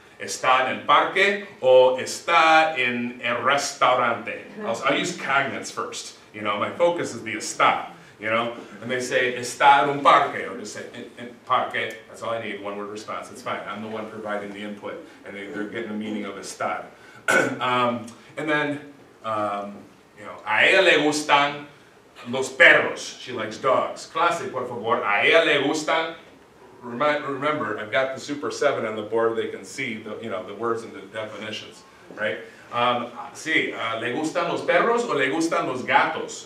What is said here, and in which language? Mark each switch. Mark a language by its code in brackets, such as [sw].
[es] ¿Está en el parque o está en el restaurante? [en] I'll use cognates first. You know, my focus is the está, you know? And they say, está en un parque, or just say, en parque. That's all I need, one word response, it's fine. I'm the one providing the input, and they're getting the meaning of está. [es] you know, a ella le gustan los perros. She likes dogs. Clase, por favor, a ella le gustan. [en] Remember, I've got the Super 7 on the board. They can see the, you know, the words and the definitions, right? [es] Sí, ¿le gustan los perros o le gustan los gatos?